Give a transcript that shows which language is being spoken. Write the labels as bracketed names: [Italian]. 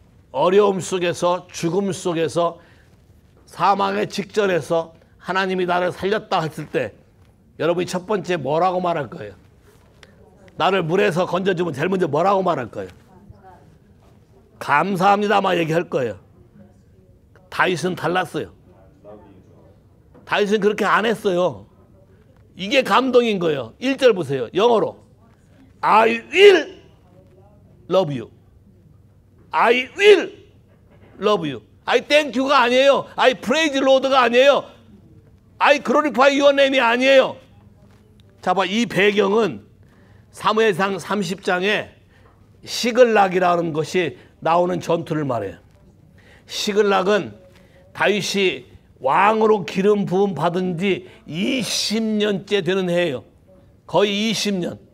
[Korean] 어려움 속에서 죽음 속에서 사망의 직전에서 하나님이 나를 살렸다 했을 때 여러분이 첫 번째 뭐라고 말할 거예요? 나를 물에서 건져주면 제일 먼저 뭐라고 말할 거예요? 감사합니다만 얘기할 거예요. 다윗은 달랐어요. 다윗은 그렇게 안 했어요. 이게 감동인 거예요. 1절 보세요. 영어로 [English] I will love you. I will love you. I thank you가 [Korean] 아니에요. [English] I praise Lord가 [Korean] 아니에요. [English] I glorify your name이 아니에요. [Korean] 자, 봐, 이 배경은 사무엘상 30장에 시글락이라는 것이 나오는 전투를 말해요. 시글락은 다윗이 왕으로 기름 부음 받은 지 20년째 되는 해예요. 거의 20년.